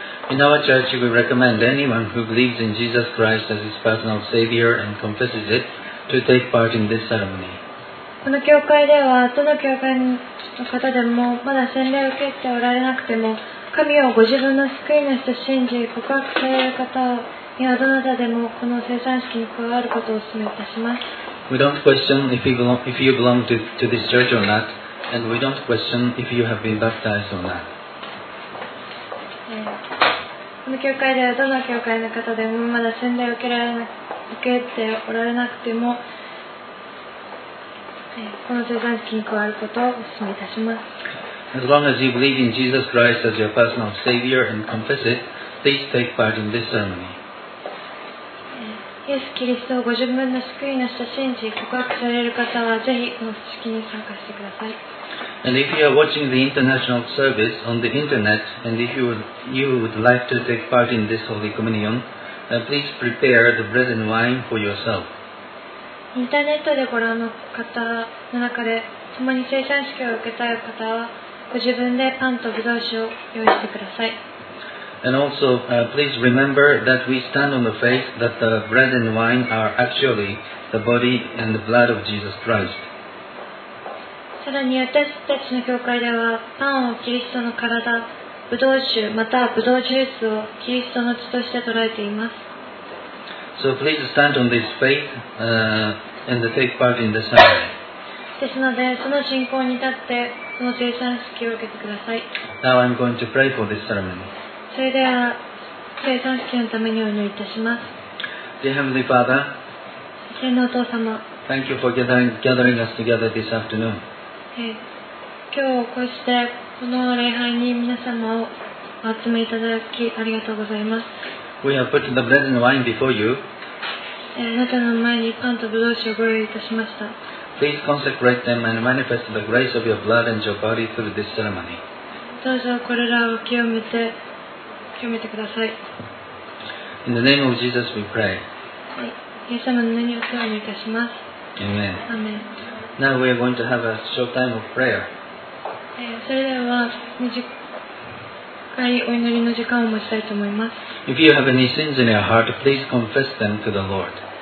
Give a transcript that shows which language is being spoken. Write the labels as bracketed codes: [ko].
[en] In our church, we recommend anyone who believes in Jesus Christ as his personal Savior and confesses it to take part in this ceremony. [ja] この教会ではどの教会の方でもまだ洗礼を受けておられなくても神をご自分の救い主と信じ告白される方にはどなたでもこの聖餐式に加わることをお勧めいたします。 [en] We don't question if you belong to this church or not, and we don't question if you have been baptized or not. [ja] この教会ではどの教会の方でもまだ洗礼を受けておられなくてもこの聖餐式に加わることをお勧めいたします。 [en] As long as you believe in Jesus Christ as your personal Savior and confess it, please take part in this ceremony. [ja] イエス・キリストをご自分の救い主と信じ告白される方はぜひこの式に参加してください。 [en] And if you are watching the international service on the internet and if you would like to take part in this Holy Communion, please prepare the bread and wine for yourself. [ja] インターネットでご覧の方の中で共に聖餐式を受けたい方はご自分でパンとブドウ酒を用意してください。 [en] And also, please remember that we stand on the faith that the bread and wine are actually the body and the blood of Jesus Christ. [ja] さらに私たちの教会ではパンをキリストの体、ブドウ酒またはブドウジュースをキリストの血として捉えています。 [en] So please stand on this faith, and take part in the ceremony. [ja] ですのでその信仰に立って。この聖餐式を受けてください。 [en] Now I'm going to pray for this ceremony. [ja] それでは聖餐式のためにお祈りいたします。 [en] Dear Heavenly Father, [ja] 天のお父様、 [en] Thank you for gathering us together this afternoon. [ja] 今日こうしてこの礼拝に皆様をお集めいただきありがとうございます。 [en] We have put the bread and wine before you. [ja] あなたの前にパンとブドウ酒をご用意いたしました。 [en] Please consecrate them and manifest the grace of your blood and your body through this ceremony. [ja] どうぞこれらを清めてください。 [en] In the name of Jesus, we pray. [ja] イエス様の名によってお祈りいたします。 [en] Amen. Amen. Now we are going to have a short time of prayer. [ja] それでは短いお祈りの時間を持ちたいと思います。 [en] If you have any sins in your heart, please confess them to the Lord.